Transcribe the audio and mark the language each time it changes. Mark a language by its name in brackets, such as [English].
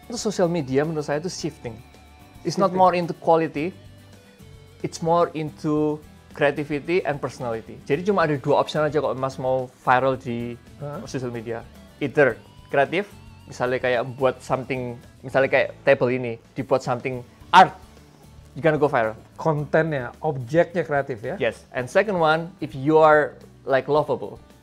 [Indonesian] Itu social media menurut saya itu shifting. [English] It's not more into quality, it's more into creativity and personality. [Indonesian] Jadi cuma ada 2 option aja kalau Mas mau viral di social media. [English] Either [Indonesian] kreatif, misalnya kayak buat [English] something, [Indonesian] misalnya kayak [English] table [Indonesian] ini, dibuat [English] something art, you gonna go viral. [Indonesian] Kontennya, objeknya kreatif ya? [English] Yes, and second one, if you are like lovable.